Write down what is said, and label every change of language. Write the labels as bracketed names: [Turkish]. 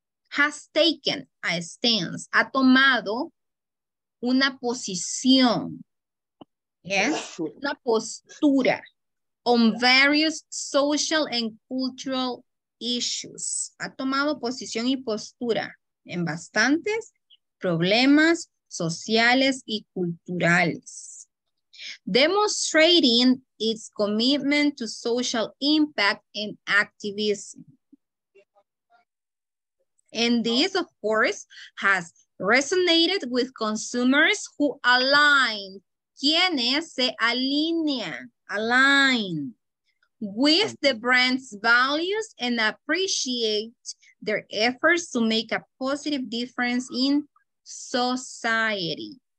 [English] Has taken a stance. [Spanish] Ha tomado una posición. [English] Yes? [Spanish] Una postura [English] on various social and cultural issues. [Spanish] Ha tomado posición y postura en bastantes problemas sociales y culturales. [English] Demonstrating its commitment to social impact and activism. And this, of course, has resonated with consumers who align. [Spanish] ¿Quiénes se alinean? [English] Align with the brand's values and appreciate their efforts to make a positive difference in society.